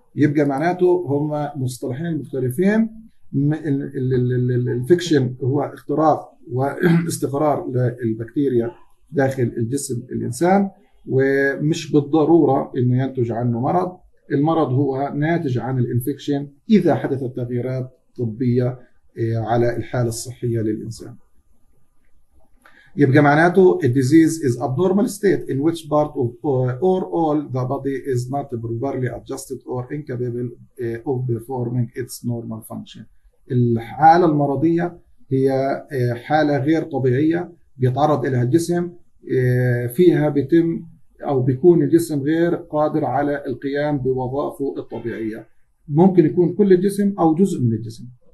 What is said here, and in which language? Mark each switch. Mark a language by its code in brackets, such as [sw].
[ar] يبقى معناته هما مصطلحين مختلفين، الانفكشن هو اختراق واستقرار للبكتيريا داخل الجسم الإنسان ومش بالضرورة إنه ينتج عنه مرض، المرض هو ناتج عن الانفكشن اذا حدثت تغييرات طبيه على الحاله الصحيه للانسان. يبقى معناته [en] the disease is abnormal state in which part of or all the body is not properly adjusted or incapable of performing its normal function. [ar] الحاله المرضيه هي حاله غير طبيعيه بيتعرض لها الجسم، فيها بيتم او بيكون الجسم غير قادر على القيام بوظائفه الطبيعيه، ممكن يكون كل الجسم او جزء من الجسم.